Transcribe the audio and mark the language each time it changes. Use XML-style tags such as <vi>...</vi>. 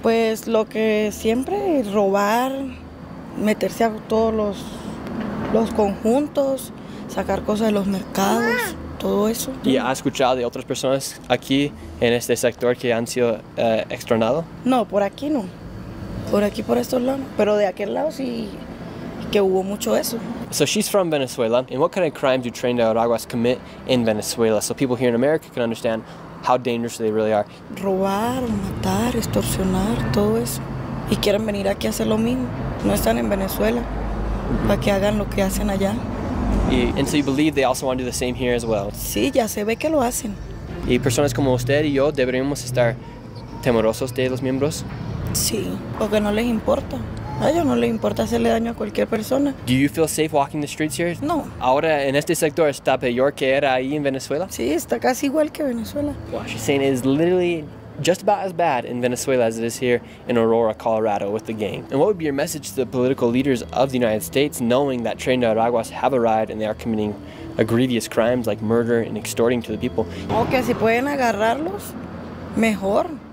<es>Pues lo que siempre, robar, meterse a todos los conjuntos, sacar cosas de los mercados, todo eso. ¿Y ha escuchado de otras personas aquí en este sector que han sido extorsionados? No, por aquí no. Por aquí, por estos lados. Pero de aquel lado sí que hubo mucho eso.</es> <en>So she's from Venezuela. And what kind of crime do Tren de Aragua commit in Venezuela? So people here in America can understand how dangerous they really are.</en> <es>Robar, matar, extorsionar, todo eso. Y quieren venir aquí a hacer lo mismo. No están en Venezuela. Para que hagan lo que hacen allá.</es> <en>And so you believe they also want to do the same here as well?</en> <es>Sí, ya se ve que lo hacen. ¿Y personas como usted y yo deberíamos estar temerosos de los miembros? Sí, porque no les importa. A ellos no les importa hacerle daño a cualquier persona.</es> <en>Do you feel safe walking the streets here?</en> <es>No. ¿Ahora en este sector está peor que era ahí en Venezuela? Sí, está casi igual que Venezuela.</es> <en>Wow, she's saying it's literally just about as bad in Venezuela as it is here in Aurora, Colorado, with the gang. And what would be your message to the political leaders of the United States, knowing that Tren de Aragua have arrived and they are committing egregious crimes like murder and extorting to the people?</en> <es>Okay, si pueden agarrarlos, mejor.</es>